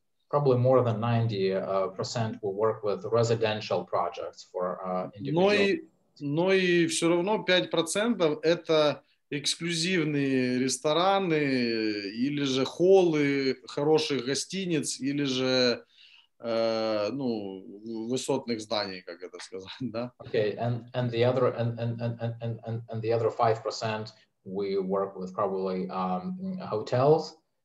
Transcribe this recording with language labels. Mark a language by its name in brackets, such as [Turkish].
[English] probably more than 90% will work with residential projects for individuals. [Russian] Но и все равно 5% это эксклюзивные рестораны или же холлы хороших гостиниц или же ну высотных зданий, как это сказать, да? [English] Okay, and the other 5% we work with probably hotels.